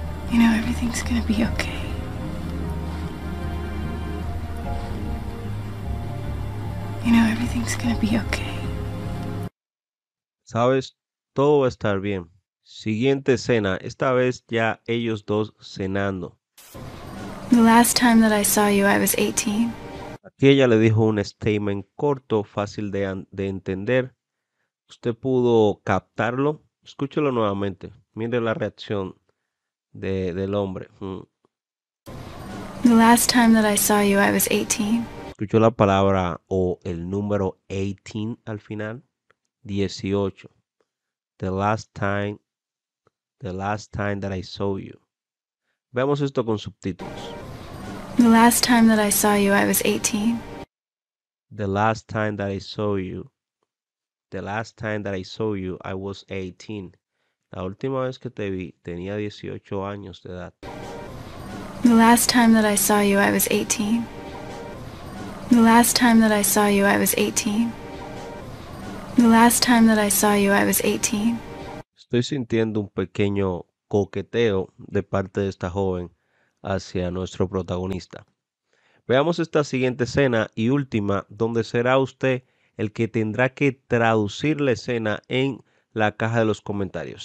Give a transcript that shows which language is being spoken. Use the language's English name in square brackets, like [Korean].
[English] You know, everything's gonna be okay. You know, everything's gonna be okay. [Spanish] Sabes, todo va a estar bien. Siguiente escena, esta vez ya ellos dos cenando. [English] The last time that I saw you, I was 18. [Spanish] Aquí ella le dijo un statement corto, fácil de entender. ¿Usted pudo captarlo? Escúchelo nuevamente. Mire la reacción del hombre. [English] The last time that I saw you, I was 18. [Spanish] ¿Escuchó la palabra o el número 18 al final? [English] 18. The last time that I saw you. [Spanish] Veamos esto con subtítulos. [English] The last time that I saw you, I was 18. The last time that I saw you. The last time that I saw you, I was 18. [Spanish] La última vez que te vi, tenía 18 años de edad. [English] The last time that I saw you, I was 18. The last time that I saw you, I was 18. The last time that I saw you, I was 18. [Spanish] Estoy sintiendo un pequeño coqueteo de parte de esta joven hacia nuestro protagonista. Veamos esta siguiente escena y última, donde será usted el que tendrá que traducir la escena en la caja de los comentarios.